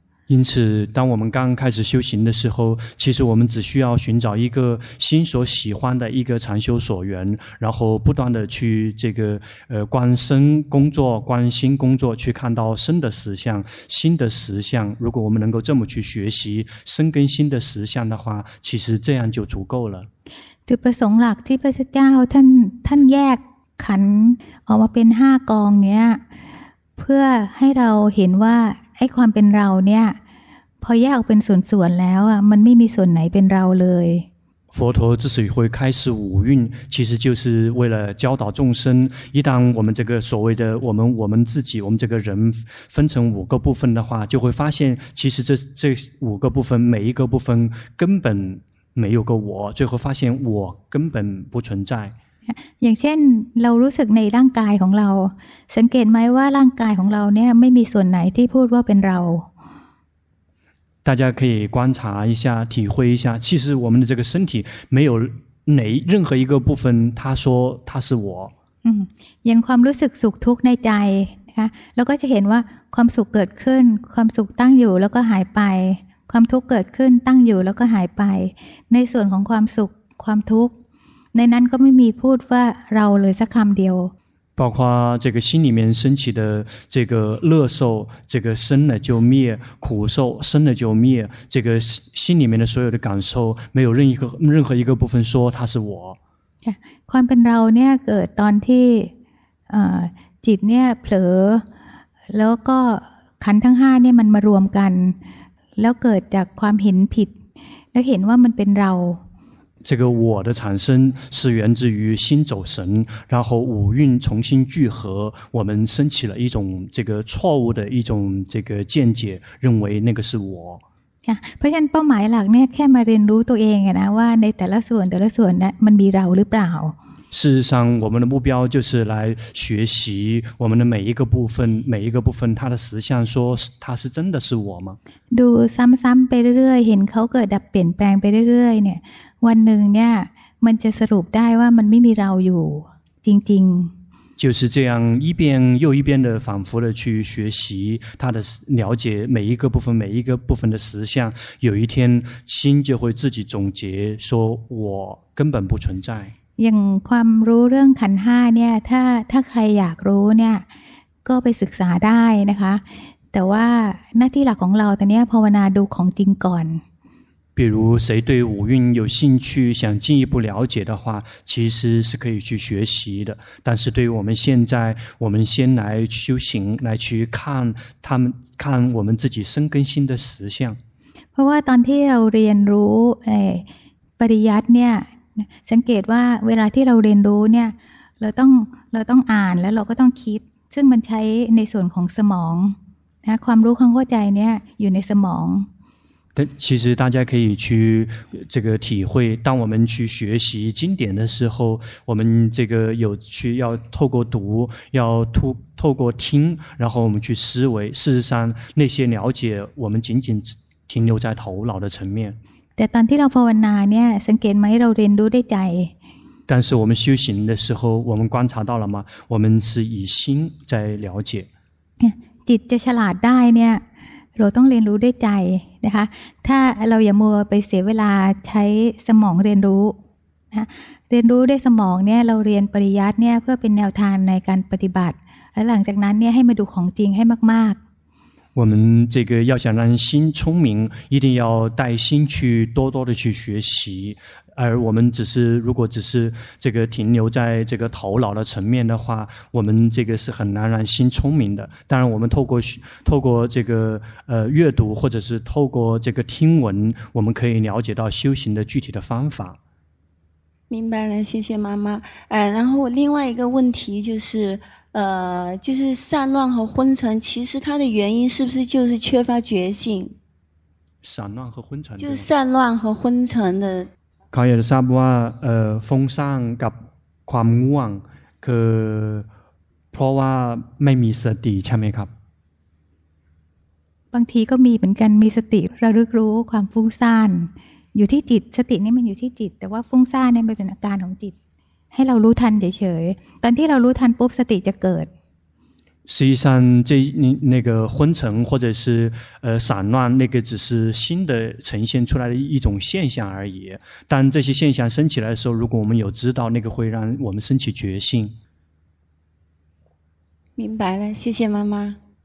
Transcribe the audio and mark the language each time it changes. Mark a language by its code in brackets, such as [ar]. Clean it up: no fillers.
[zh] 因此当我们刚开始修行的时候其实我们只需要寻找一个心所喜欢的一个禅修所缘然后不断的去这个观身工作观心工作去看到身的实相心的实相如果我们能够这么去学习身跟心的实相的话其实这样就足够了 [th] จุดประสงค์หลักที่พระพุทธเจ้าท่านแยกขันธ์ออกมาเป็น5กองเนี้ยเพื่อให้เราเห็นว่าไอ้ความเป็นเราเนี่ยพอแยกออกเป็นส่วนๆแล้วอ่ะมันไม่มีส่วนไหนเป็นเราเลย [zh] 佛陀之所以会开始五蕴其实就是为了教导众生一旦我们这个所谓的我们自己我们这个人分成五个部分的话就会发现其实这五个部分每一个部分根本没有个我最后发现我根本不存在 [th] อย่างเช่นเรารู้สึกในร่างกายของเราสังเกตไหมว่าร่างกายของเราเนี่ยไม่มีส่วนไหนที่พูดว่าเป็นเรา [zh] 大家可以观察一下体会一下其实我们的这个身体没有哪任何一个部分他说他是我 [th] อย่างความรู้สึกสุขทุกข์ในใจนะคะเราก็จะเห็นว่าความสุขเกิดขึ้นความสุขตั้งอยู่แล้วก็หายไปความทุกข์เกิดขึ้นตั้งอยู่แล้วก็หายไปในส่วนของความสุขความทุกข์ในนั้นก็ไม่มีพูดว่าเราเลยสักคำเดียว [zh] 包括这个心里面升起的这个乐受这个生了就灭苦受生了就灭这个心里面的所有的感受没有任何一个部分说它是我 [th] ความเป็นเราเนี่ยเกิดตอนที่จิตเนี่ยเผลอแล้วก็ขันธ์ทั้ง5เนี่ยมันมารวมกันแล้วเกิดจากความเห็นผิดแล้วเห็นว่ามันเป็นเรา [zh] 这个我的产生是源自于心走神然后五蕴重新聚合我们升起了一种这个错误的一种这个见解认为那个是我 [th] เพราะฉะนั้นเป้าหมายหลักเนี่ยแค่มาเรียนรู้ตัวเองนะว่าในแต่ละส่วนแต่ละส่วนนะมันมีเราหรือเปล่า [zh] 事实上我们的目标就是来学习我们的每一个部分每一个部分它的实相说它是真的是我吗 [th] ดูซ้ำๆไปเรื่อยๆเห็นเขาเกิดดับเปลี่ยนแปลงไปเรื่อยๆเนี่ยวันหนึ่งเนี่ยมันจะสรุปได้ว่ามันไม่มีเราอยู่จริง [zh] ๆ就是这样一遍又一遍的反复的去学习他的了解每一个部分每一个部分的实相有一天心就会自己总结说我根本不存在 [th] อย่างความรู้เรื่องขันธ์ห้าเนี่ยถ้าใครอยากรู้เนี่ยก็ไปศึกษาได้นะคะแต่ว่าหน้าที่หลักของเราตอนนี้ภาวนาดูของจริงก่อน [zh] 比如谁对五蕴有兴趣想进一步了解的话其实是可以去学习的但是对于我们现在我们先来修行来去看他们看我们自己身跟心的实相 [th] เพราะว่าตอนที่เราเรียนรู้ปริยัติเนี่ยสังเกตว่าเวลาที่เราเรียนรู้เนี่ยเราต้องอ่านแล้วเราก็ต้องคิดซึ่งมันใช้ในส่วนของสมองนะความรู้ความเข้าใจเนี่ยอยู่ในสมอง [zh] 其实大家可以去这个体会当我们去学习经典的时候我们这个有去要透过读要透过听然后我们去思维事实上那些了解我们仅仅停留在头脑的层面 [th] แต่ตอนที่เราภาวนาเนี่ยสังเกตไหมเราเรียนรู้ได้ใจ [zh] 但是我们修行的时候我们观察到了吗我们是以心在了解 [th] จิตจะฉลาดได้เนี่ยเราต้องเรียนรู้ด้วยใจนะคะถ้าเราอย่ามัวไปเสียเวลาใช้สมองเรียนรู้นะเรียนรู้ด้วยสมองเนี่ยเราเรียนปริยัติเนี่ยเพื่อเป็นแนวทางในการปฏิบัติและหลังจากนั้นเนี่ยให้มาดูของจริงให้มาก [zh] ๆ我们这个要想让心聪明一定要带心去多多的去学习而我们只是如果只是这个停留在这个头脑的层面的话我们这个是很难让心聪明的当然我们透过这个阅读或者是透过这个听闻我们可以了解到修行的具体的方法明白了谢谢妈妈然后我另外一个问题就是散乱和昏沉其实它的原因是不是就是缺乏觉性散乱和昏沉就是散乱和昏沉的 [th] เขาอยากจะทราบว่าฟุ้งซ่านกับความง่วงคือเพราะว่าไม่มีสติใช่ไหมครับ บางทีก็มีเหมือนกันมีสติระลึกรู้ความฟุ้งซ่านอยู่ที่จิตสตินี่มันอยู่ที่จิตแต่ว่าฟุ้งซ่านเนี่ยเป็นอาการของจิตให้เรารู้ทันเฉยๆตอนที่เรารู้ทันปุ๊บสติจะเกิด [zh] 实际上这那个昏沉或者是散乱那个只是心的呈现出来的一种现象而已但这些现象升起来的时候如果我们有知道那个会让我们升起觉性明白了谢谢妈妈